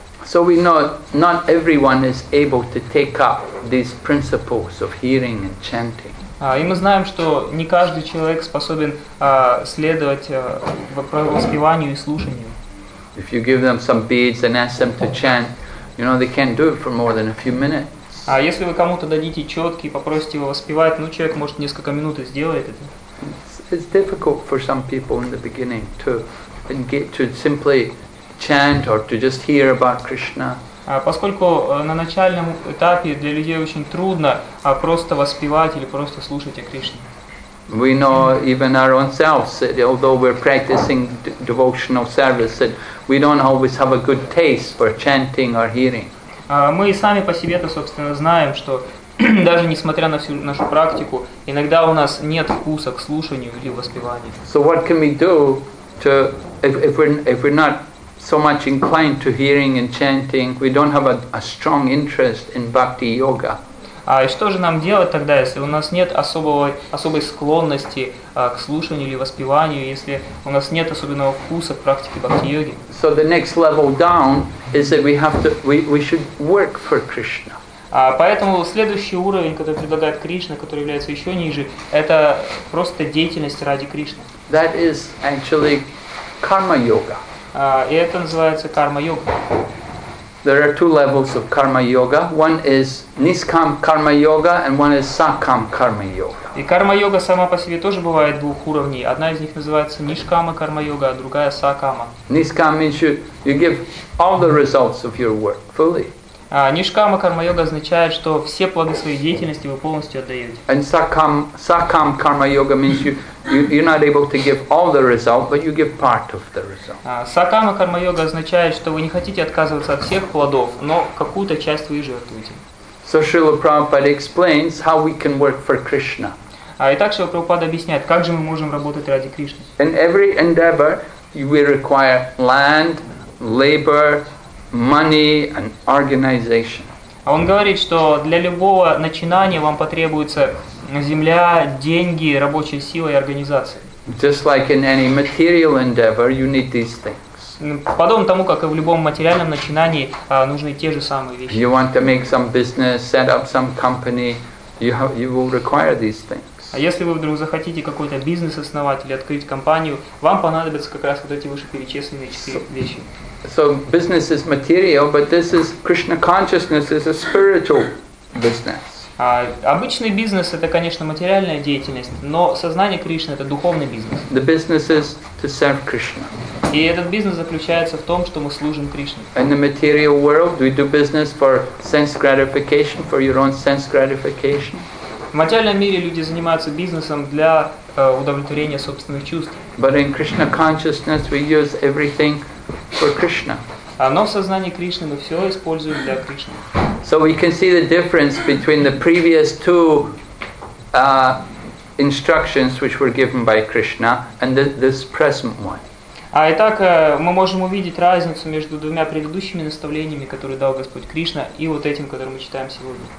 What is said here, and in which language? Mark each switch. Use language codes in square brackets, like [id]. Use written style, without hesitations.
[en] So we know not everyone is able to take up these principles of hearing and chanting. [ru] И мы знаем, что не каждый человек способен следовать воспеванию и слушанию. [en] If you give them some beads and ask them to chant, you know they can't do it for more than a few minutes. [ru] А если вы кому-то дадите четки и попросите его воспевать, ну человек может несколько минут и сделает это. [en] It's difficult for some people in the beginning to get to simply chant or to just hear about Krishna. [ru] Поскольку на начальном этапе для людей очень трудно просто воспевать или просто слушать о Кришне. [en] We know even our own selves that although we're practicing devotional service, that we don't always have a good taste for chanting or hearing. [ru] Мы сами по себе-то, собственно, знаем, что даже несмотря на всю нашу практику, иногда у нас нет вкуса к слушанию или воспеванию. [en] So what can we do to if we're not so much inclined to hearing and chanting, we don't have a strong interest in bhakti yoga? [ru] И что же нам делать тогда, если у нас нет особой склонности к слушанию или воспеванию, если у нас нет особенного вкуса к практике бхакти-йоги? [en] So the next level down is that we should work for Krishna. [ru] Поэтому следующий уровень, который предлагает Кришна, который является еще ниже, это просто деятельность ради Кришны. [en] That is actually karma yoga. [ru] И это называется карма-йога. [en] There are two levels of karma yoga. One is niskam karma yoga, and one is sakam karma yoga. [ru] И карма йога сама по себе тоже бывает двух уровней. Одна из них называется нишкама карма йога, а другая сакама. [en] Niskam means you give all the results of your work fully. [ru] Нишкама карма йога означает, что все плоды своей деятельности вы полностью отдаете. [en] And sakam karma yoga means you're not able to give all the result, but you give part of the result. [ru] Сакама карма йога означает, что вы не хотите отказываться от всех плодов, но какую-то часть вы жертвуете. [en] So Srila Prabhupada explains how we can work for Krishna. [ru] Итак, Шрила Прабхупада объясняет, как же мы можем работать ради Кришны. [en] In every endeavor, we require land, labor, money and organization. [ru] А он говорит, что для любого начинания вам потребуется земля, деньги, рабочая сила и организация. [en] Just like in any material endeavor, you need these things. [ru] Подобно тому, как и в любом материальном начинании, нужны те же самые вещи. [en] You want to make some business, set up some company, you will require these things. [ru] А если вы вдруг захотите какой-то бизнес основать или открыть компанию, вам понадобятся как раз вот эти вышеперечисленные четыре вещи. [en] So business is material, but this is Krishna consciousness is a spiritual business. [ru] Обычный бизнес это, конечно, материальная деятельность, но сознание Кришны это духовный бизнес. [en] The business is to serve Krishna. [ru] И этот бизнес заключается в том, что мы служим Кришне. [en] In the material world, we do business for sense gratification, for your own sense gratification. [ru] В материальном мире люди занимаются бизнесом для удовлетворения собственных чувств. [en] But in Krishna consciousness, we use everything for Krishna. [ru] Но в сознании Кришны мы все используем для Кришны. [en] So we can see the difference between the previous two instructions which were given by Krishna and this present one. [ru] Итак, мы можем увидеть разницу между двумя предыдущими наставлениями, которые дал Господь Кришна, и вот этим, который мы читаем сегодня.